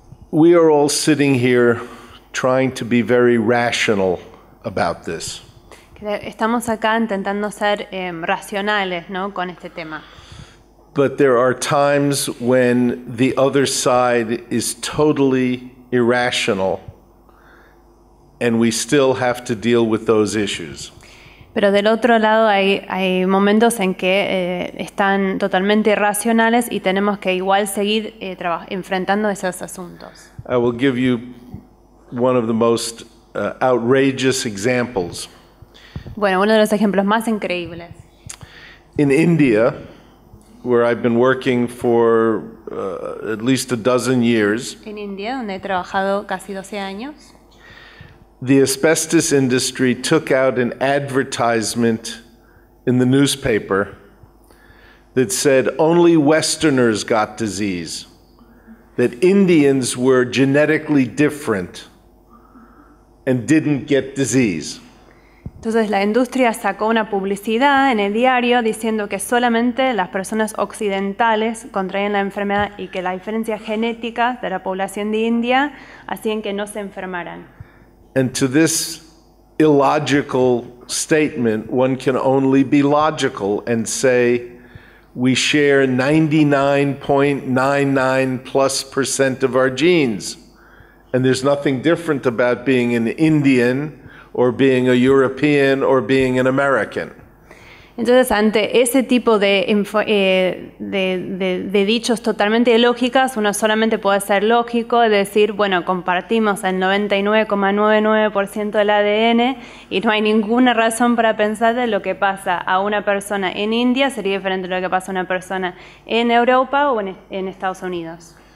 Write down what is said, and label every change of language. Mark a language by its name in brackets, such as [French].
[English] We are all sitting here trying to be very rational about this. [Spanish] Estamos acá intentando ser racionales, ¿no?, con este tema. [English] But there are times when the other side is totally irrational and we still have to deal with those issues. [Spanish] Pero del otro lado hay momentos en que están totalmente irracionales y tenemos que igual seguir enfrentando esos asuntos. [English] I will give you one of the most outrageous examples. [Spanish] Bueno, uno de los ejemplos más increíbles. [English] In India, where I've been working for at least a dozen years. [Spanish] En India, donde he trabajado casi 12 años. [English] The asbestos industry took out an advertisement in the newspaper that said only Westerners got disease, that Indians were genetically different and didn't get disease. [Spanish] Entonces la industria sacó una publicidad en el diario diciendo que solamente las personas occidentales contraían la enfermedad y que la diferencia genética de la población de India hacían que no se enfermaran. [English] And to this illogical statement, one can only be logical and say we share 99.99%+ of our genes. And there's nothing different about being an Indian or being a European or being an American. [Spanish] Entonces, ante ese tipo de dichos totalmente ilógicos, uno solamente puede ser lógico y decir, bueno, compartimos el 99.99% del ADN y no hay ninguna razón para pensar de lo que pasa a una persona en India sería diferente de lo que pasa a una persona en Europa o en Estados Unidos.